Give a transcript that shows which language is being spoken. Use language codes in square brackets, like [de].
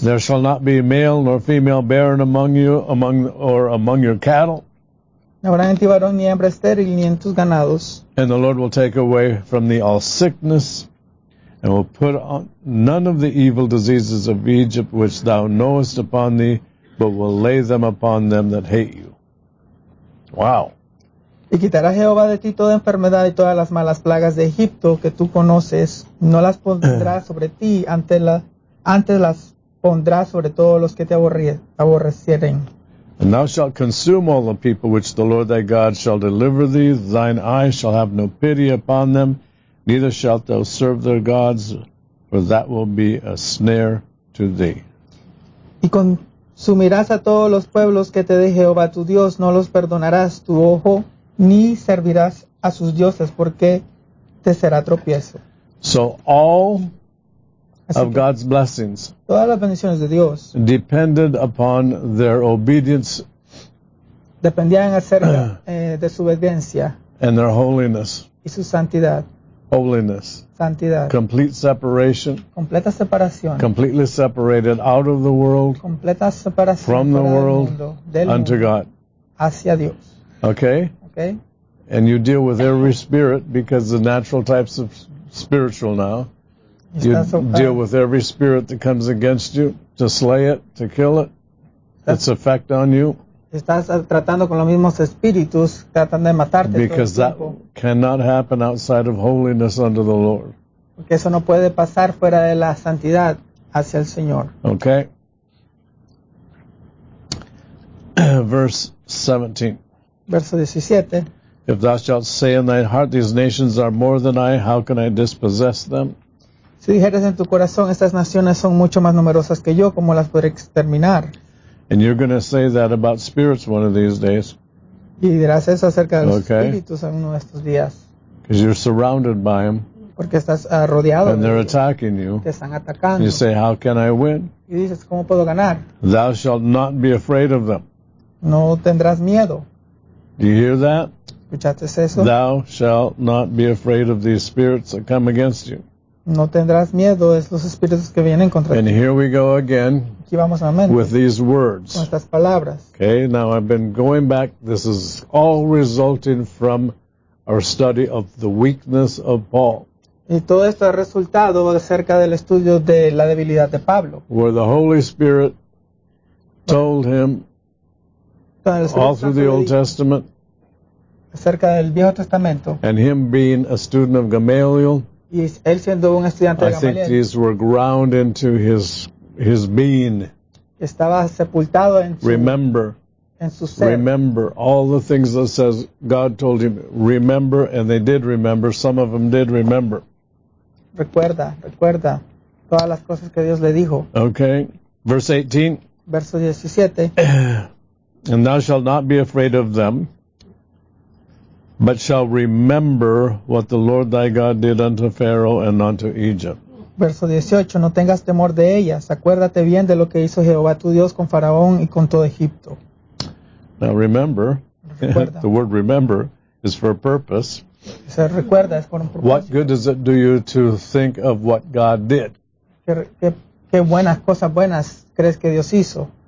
[en] There shall not be male nor female barren among you, among your cattle. [es] No habrá en ti varón ni hembra estéril ni en tus ganados. [en] And the Lord will take away from thee all sickness, and will put on none of the evil diseases of Egypt which thou knowest upon thee, but will lay them upon them that hate you. Wow. [es] Y quitará Jehová de ti toda enfermedad y todas las malas plagas de Egipto que tú conoces, no las pondrá sobre ti, antes las pondrá sobre todos los que te aborrecieren. [en] And thou shalt consume all the people which the Lord thy God shall deliver thee, thine eyes shall have no pity upon them, neither shalt thou serve their gods, for that will be a snare to thee. [es] Y consumirás a todos los pueblos que te dé Jehová tu Dios, no los perdonarás tu ojo, ni servirás a sus dioses porque te será tropiezo. [en] So all of God's blessings, [es] todas las bendiciones de Dios, [en] depended upon their obedience, [es] dependían acerca de su obediencia, [en] and their holiness, [es] y su santidad, [en] holiness, [es] santidad, [en] complete separation, [es] completa separación, [en] completely separated out of the world, [es] completa separación [en] from the world, [es] mundo, del [en] unto [es] mundo, [en] God, [es] hacia Dios. [en] Okay. Okay. And you deal with every spirit, because the natural types of spiritual now, you deal with every spirit that comes against you, to slay it, to kill it, its effect on you. [es] Estás tratando con los mismos espíritus, tratando de matarte. [en] Because that cannot happen outside of holiness unto the Lord. [es] Porque eso no puede pasar fuera de la santidad hacia el Señor. [en] Okay. Verse 17. [es] Verso 17. [en] If thou shalt say in thy heart, these nations are more than I, how can I dispossess them? [es] Si dijeras en tu corazón, estas naciones son mucho más numerosas que yo, ¿cómo las podré exterminar? [en] And you're going to say that about spirits one of these days. [es] Y dirás eso acerca de los espíritus en uno de estos días. [en] Because you're surrounded by them. [es] Porque estás rodeado. [en] And they're attacking you. [es] Te están atacando. [en] You say, how can I win? [es] Y dices, ¿cómo puedo ganar? [en] Thou shalt not be afraid of them. [es] No tendrás miedo. [en] Do you hear that? [es] ¿Escuchaste eso? [en] Thou shalt not be afraid of these spirits that come against you. [es] No tendrás miedo de los espíritus que vienen contra ti. [en] And here we go again. [es] Aquí vamos nuevamente. [en] With these words. [es] Con estas palabras. [en] Okay, now I've been going back. This is all resulting from our study of the weakness of Paul. [es] Y todo esto es resultado acerca del estudio de la debilidad de Pablo. [en] Where the Holy Spirit told him all through the Old Testament, [es] acerca del Viejo Testamento, [en] and him being a student of Gamaliel, [es] y él siendo un estudiante de Gamaliel, [en] I think these were ground into his being. [es] Estaba sepultado en su, [en] remember, [es] en su ser. [en] Remember all the things that says God told him. Remember, and they did remember. Some of them did remember. [es] Recuerda, recuerda todas las cosas que Dios le dijo. [en] Okay, verse 18. [es] Verso 17. [en] And thou shalt not be afraid of them, but shall remember what the Lord thy God did unto Pharaoh and unto Egypt. [es] Verso 18, no tengas temor de ellas. Acuérdate bien de lo que hizo Jehová tu Dios con Faraón y con todo Egipto. [en] Now remember, [es] recuerda. [en] The word remember is for a purpose. [es] Se recuerda, es por un propósito. [en] What good does it do you to think of what God did? [es] ¿Qué buenas cosas buenas crees que Dios hizo?